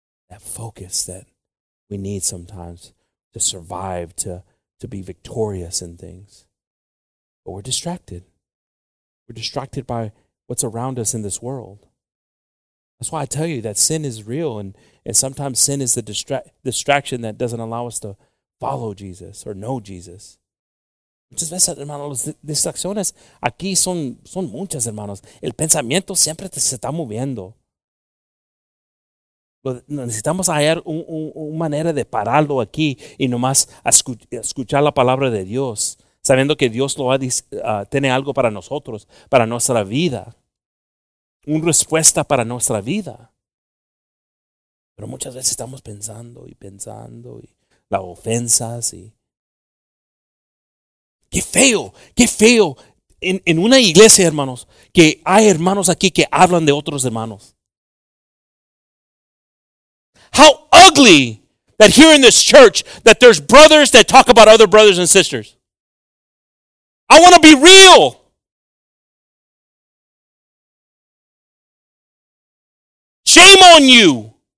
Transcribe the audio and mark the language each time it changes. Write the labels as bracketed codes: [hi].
[en] That focus that we need sometimes to survive, to be victorious in things. But we're distracted. We're distracted by what's around us in this world. That's why I tell you that sin is real, and sometimes sin is the distraction that doesn't allow us to follow Jesus or know Jesus. [es] Muchas veces, hermanos, las distracciones aquí son muchas, hermanos. El pensamiento siempre se está moviendo. Necesitamos hallar una manera de pararlo aquí y nomás escuchar la palabra de Dios. Sabiendo que Dios lo ha tiene algo para nosotros, para nuestra vida. Una respuesta para nuestra vida. Pero muchas veces estamos pensando y pensando y las ofensas y... ¡Qué feo! ¡Qué feo! En una iglesia, hermanos, que hay hermanos aquí que hablan de otros hermanos. [en] ¡How ugly that here in this church that there's brothers that talk about other brothers and sisters! I want to be real. Shame on you.